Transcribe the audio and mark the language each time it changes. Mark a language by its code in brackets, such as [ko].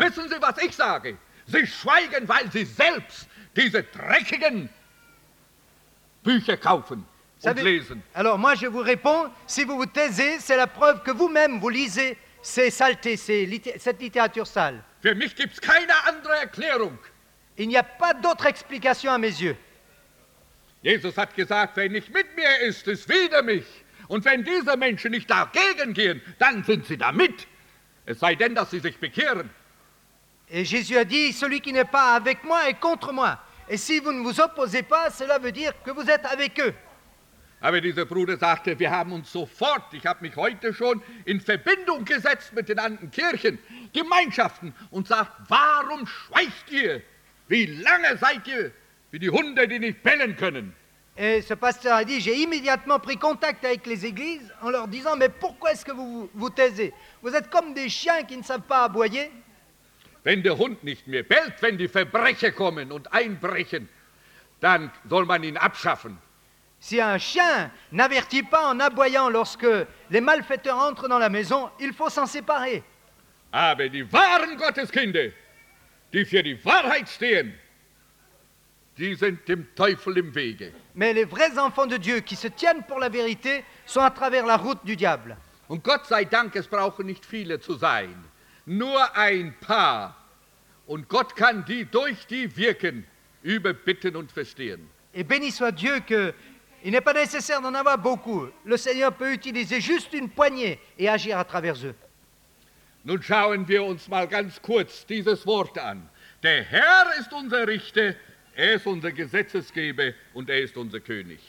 [de] Wissen Sie, was ich sage? Sie schweigen, weil sie selbst diese dreckigen Bücher kaufen und lesen. [fr] Alors moi je vous réponds, si vous vous taisez, c'est la preuve que vous-même vous lisez ces saletés, cette littérature sale. [de] Für mich gibt's keine andere Erklärung. [fr] Il n'y a pas d'autre explication à mes yeux. [de] Jesus hat gesagt, wer nicht mit mir ist, ist wider mich. Und wenn diese Menschen nicht dagegen gehen, dann sind sie damit. Es sei denn, dass sie sich bekehren. [fr] Et Jésus a dit, celui qui n'est pas avec moi est contre moi. Et si vous ne vous opposez pas, cela veut dire que vous êtes avec eux. [de] Aber dieser Bruder sagte, wir haben uns sofort, ich habe mich heute schon in Verbindung gesetzt mit den anderen Kirchen, Gemeinschaften, und sagt, warum schweigt ihr? Wie lange seid ihr wie die Hunde, die nicht bellen können? [fr] Et ce pasteur a dit, j'ai immédiatement pris contact avec les églises en leur disant, mais pourquoi est-ce que vous vous taisez? Vous êtes comme des chiens qui ne savent pas aboyer. [de] Wenn der Hund nicht mehr bellt, wenn die Verbrecher kommen und einbrechen, dann soll man ihn abschaffen. [fr] Si un chien n'avertit pas en aboyant lorsque les malfaiteurs entrent dans la maison, il faut s'en séparer. [de] Aber die wahren Gotteskinder, die für die Wahrheit stehen, die sind dem Teufel im Wege. [fr] Mais les vrais enfants de Dieu qui se tiennent pour la vérité sont à travers la route du diable. [de] Und Gott sei Dank, es brauchen nicht viele zu sein. Nur ein paar. Und Gott kann die durch die wirken, über bitten und verstehen. [fr] Et béni soit Dieu que il n'est pas nécessaire d'en avoir beaucoup. Le Seigneur peut utiliser juste une poignée et agir à travers eux. [de] Nun schauen wir uns mal ganz kurz dieses Wort an. Der Herr ist unser Richter, er ist unser Gesetzesgeber und er ist unser König.